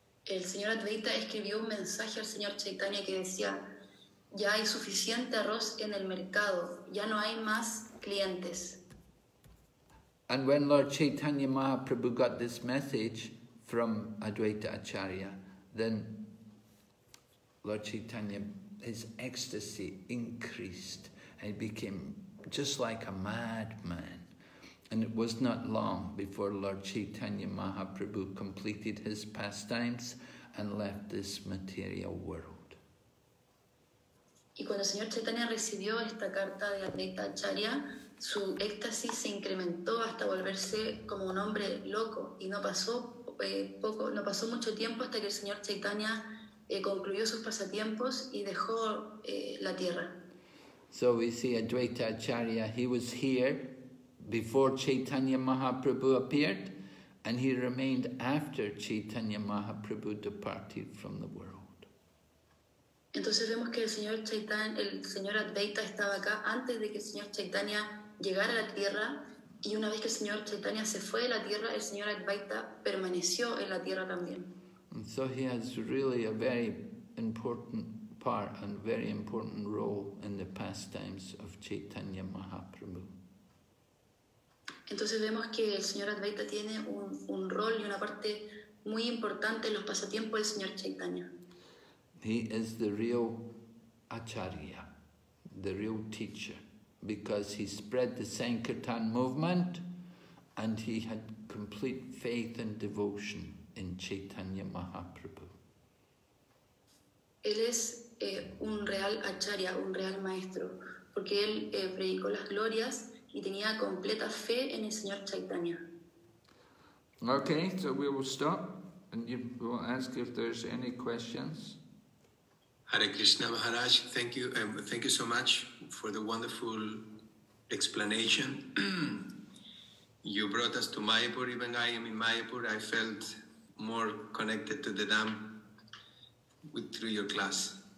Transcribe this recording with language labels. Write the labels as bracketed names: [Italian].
[Spanish] El señor Advaita escribió un mensaje al señor Chaitanya que decía, ya hay suficiente arroz en el mercado. Ya no hay más clientes. [English] And when Lord Chaitanya Mahaprabhu got this message from Advaita Acharya, then Lord Chaitanya, his ecstasy increased and he became just like a madman. And it was not long before Lord Chaitanya Mahaprabhu completed his pastimes and left this material world. [Spanish] Y cuando el señor Chaitanya recibió esta carta de Advaita Acharya, su éxtasis se incrementó hasta volverse como un hombre loco y no pasó mucho tiempo hasta que el señor Chaitanya concluyó sus pasatiempos y dejó la tierra. [English] So we see Advaita Acharya, he was here before Chaitanya Mahaprabhu appeared, and he remained after Chaitanya Mahaprabhu departed from the world. [Spanish] Entonces vemos que el señor Advaita estaba acá antes de que el señor Chaitanya llegara a la tierra. Y una vez que el señor Chaitanya se fue de la tierra, el señor Advaita permaneció en la tierra también. [English] So he has really a very important part and very important role in the pastimes of Chaitanya Mahaprabhu. [Spanish] Entonces vemos que el señor Advaita tiene un rol y una parte muy importante en los pasatiempos del señor Chaitanya. [English] He is the real Acharya, the real teacher, because he spread the Sankirtan movement and he had complete faith and devotion in Chaitanya Mahaprabhu. [Spanish] Él es un real acharya, un real maestro, porque él predicó las glorias y tenía completa fe en el señor Chaitanya. [English] Okay, so we will stop and you will ask if there's any questions. Hare Krishna Maharaj, thank you so much for the wonderful explanation. You brought us to Mayapur. Even I am in Mayapur, I felt more connected to the Dham through your class.